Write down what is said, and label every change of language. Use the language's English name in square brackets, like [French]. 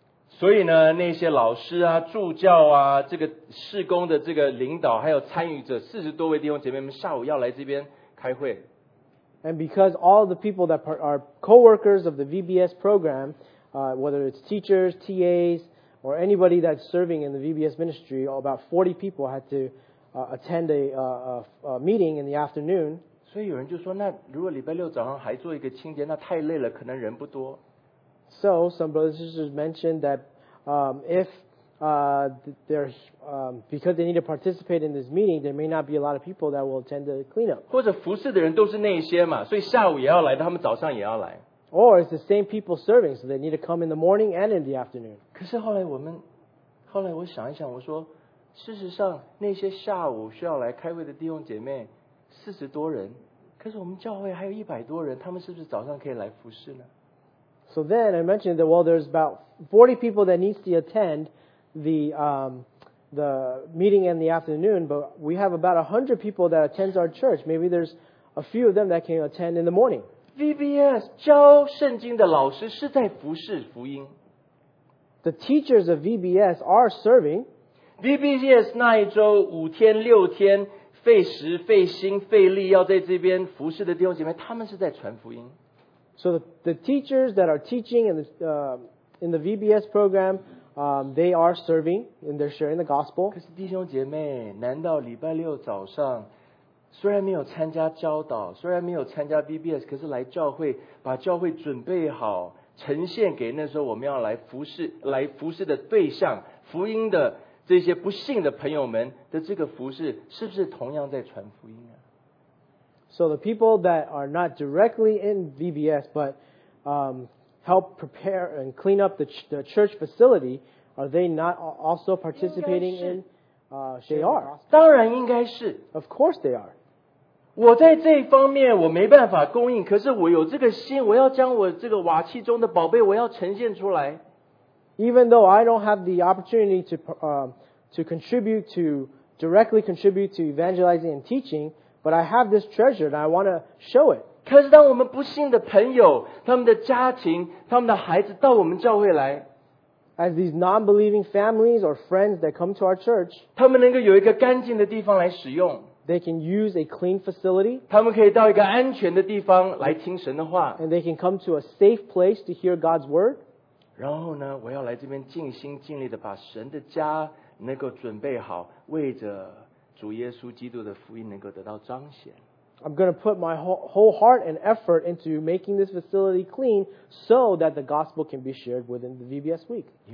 [Chinese] 所以呢，那些老师啊、助教啊、这个事工的这个领导，还有参与者，四十多位弟兄姐妹们，下午要来这边开会。 [English] And because all the people that are co-workers of the VBS program, whether it's teachers, TAs, or anybody that's serving in the VBS ministry, about 40 people had to attend a meeting in the afternoon. [Chinese] 所以有人就说，那如果礼拜六早上还做一个清洁，那太累了，可能人不多。 [English] So, some brothers and sisters mentioned that because they need to participate in this meeting, there may not be a lot of people that will attend the cleanup. [Chinese] 或者服事的人都是那些嘛，所以下午也要来，他们早上也要来。 [English] Or it's the same people serving, so they need to come in the morning and in the afternoon. [Chinese] 可是后来我想一想，我说，事实上，那些下午需要来开会的弟兄姐妹，四十多人，可是我们教会还有一百多人，他们是不是早上可以来服事呢？ [English] So then I mentioned that, well, there's about 40 people that needs to attend the meeting in the afternoon, but we have about 100 people that attends our church. Maybe there's a few of them that can attend in the morning. [Chinese] VBS, 教圣经的老师是在服事福音。 [English] The teachers of VBS are serving. [Chinese] VBS 那一周五天六天费时费心费力要在这边服事的弟兄姐妹，他们是在传福音。 [English] So the teachers that are teaching in the VBS program, they are serving and they're sharing the gospel. [Chinese] 可是弟兄姐妹，难道礼拜六早上虽然没有参加教导，虽然没有参加 VBS, 可是来教会把教会准备好，呈现给那时候我们要来服事的对象，福音的这些不信的朋友们的这个服事，是不是同样在传福音啊？ [English] So the people that are not directly in VBS, but help prepare and clean up the church facility, are they not also participating in? They are. [Chinese] 当然应该是。 [English] Of course they are. [Chinese] 我在这一方面我没办法供应，可是我有这个心，我要将我这个瓦器中的宝贝我要呈现出来。 [English] Even though I don't have the opportunity to directly contribute to evangelizing and teaching,But I have this treasure and I want to show it. [Chinese] 可是当我们不信的朋友，他们的家庭，他们的孩子到我们教会来。 [English] As these non-believing families or friends that come to our church. [Chinese] 他们能够有一个干净的地方来使用。 [English] They can use a clean facility. [Chinese] 他们可以到一个安全的地方来听神的话。 [English] And they can come to a safe place to hear God's word. [Chinese] 然后呢，我要来这边尽心尽力的把神的家能够准备好，为着主耶稣基督的福音能够得到彰显。 [English] I'm going to put my whole heart and effort into making this facility clean so that the gospel can be shared within the VBS week.